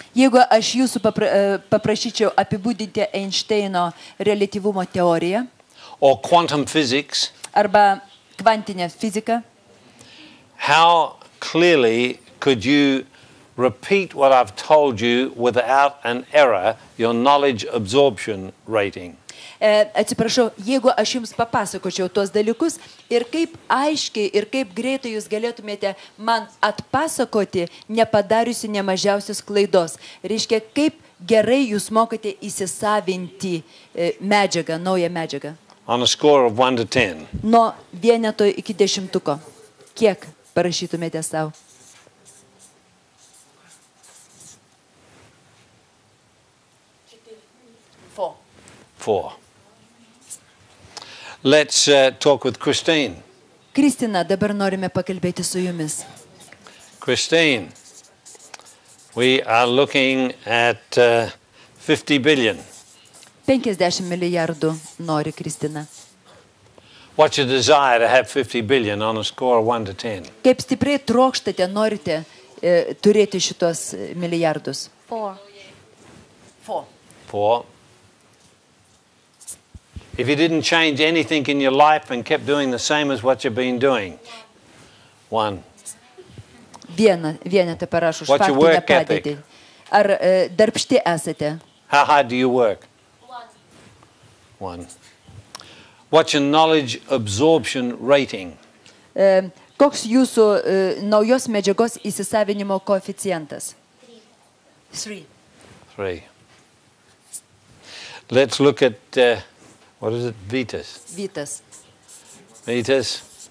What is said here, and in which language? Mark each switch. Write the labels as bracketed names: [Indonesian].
[Lithuanian] jeigu aš jūsų paprašyčiau apibūdinti Einšteino relativumo teoriją, [English] or quantum physics, [Lithuanian] arba kvantinę fiziką, [English] how clearly could you repeat what I've told you without an error, your knowledge absorption rating? [Lithuanian] Atsiprašau, jeigu aš jums papasakočiau tuos dalykus ir kaip aiškiai ir kaip greitai jūs galėtumėte man atpasakoti, nepadariusi nemažiausios klaidos. Reiškia, kaip gerai jūs mokate įsisavinti medžiagą, naują medžiagą. [English] On a score of 1 to 10. [Lithuanian] Nuo vieneto iki dešimtuko. Kiek parašytumėte sau? [English] Four. [Lithuanian] 4. [English] Let's talk with Christine. [Lithuanian] Kristina, dabar norime pakalbėti su jumis. [English] Christine, we are looking at 50 billion. [Lithuanian] 50 milijardų nori Kristina. [English] What's your desire to have 50 billion on a score of 1 to 10? [Lithuanian] Kaip stipriai trokštate, norite turėti šitos milijardus? 4. [English] If you didn't change anything in your life and kept doing the same as what you've been doing. [Lithuanian] 1. Vienetą parašau, faktinę padėtį. Ar darbšti esate? [English] How hard do you work? [Lithuanian] 1. [English] What's your knowledge absorption rating? [Lithuanian] Koks jūsų naujos medžiagos įsisavinimo koeficientas? 3. [English] Let's look at what is it? Vitas. Vitas. Vitas.